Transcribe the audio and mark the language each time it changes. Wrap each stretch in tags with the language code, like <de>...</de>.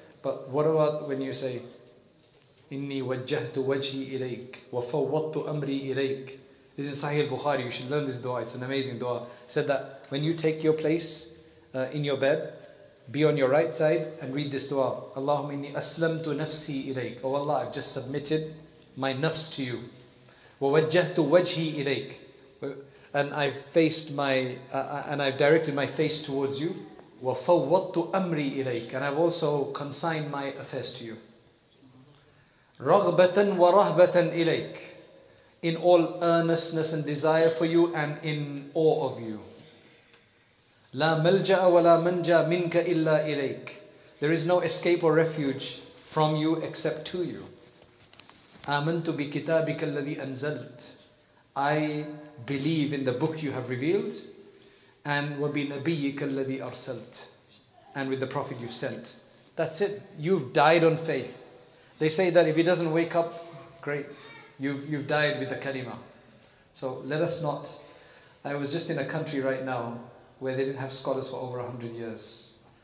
<en>But what about when you say,</en> <ar>إِنِّي وَجَّهْتُ وَجْهِي إِلَيْكَ وَفَوَّضْتُ أَمْرِي إِلَيْكَ</ar> <en>This is in Sahih al-Bukhari. You should learn this dua. It's an amazing dua. It said that when you take your place in your bed, be on your right side and read this dua.</en> <ar>اللهم إني أسلمت نفسي إليك.</ar> <en>Oh Allah, I've just submitted my nafs to you.</en> <ar>وَوَجَّهْتُ وَجْهِي إِلَيْكَ</ar> <en>And I've faced my... and I've directed my face towards you.</en> <ar>وَفَوَّضْتُ أَمْرِي إِلَيْكَ</ar> <en>And I've also consigned my affairs to you.</en> <ar>رَغْبَةً وَرَهْبَةً إِلَيْكَ</ar> <en>In all earnestness and desire for you and in awe of you.</en> <ar>لا ملجا ولا منجا منك الا اليك.</ar> <en>There is no escape or refuge from you except to you.</en> <ar>آمنت بكتابك الذي أنزلت.</ar> <en>I believe in the book you have revealed. And</en> <ar>وبنبيك الذي أرسلت.</ar> <en>And with the prophet you've sent. That's it. You've died on faith. They say that if he doesn't wake up, great. You've died with the kalima. So let us not. I was just in a country right now where they didn't have scholars for over 100 years.</en>